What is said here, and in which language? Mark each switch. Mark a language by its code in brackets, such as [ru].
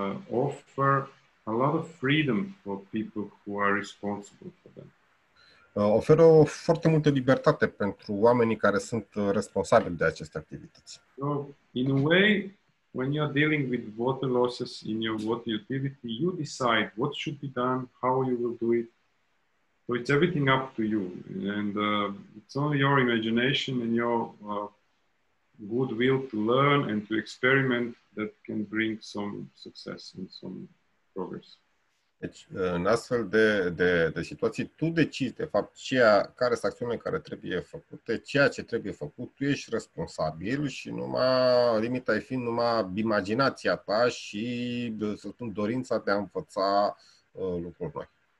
[en] offer a lot of freedom for people who are responsible for them. [ro] Oferă foarte multă libertate pentru oamenii care sunt responsabili de aceste activități. [en] So, in a way, when you're dealing with water losses in your water utility, you decide what should be done, how you will do it. So it's everything up to you. And it's only your imagination and your goodwill to learn and to experiment that can bring some success and some progress. [ro] Deci, în astfel de situații, tu decizi, de fapt, care sunt acțiunile care trebuie făcute, ceea ce trebuie făcut, tu ești responsabil și limita e fiind numai imaginația ta și, să spun, dorința de a învăța lucruri noi.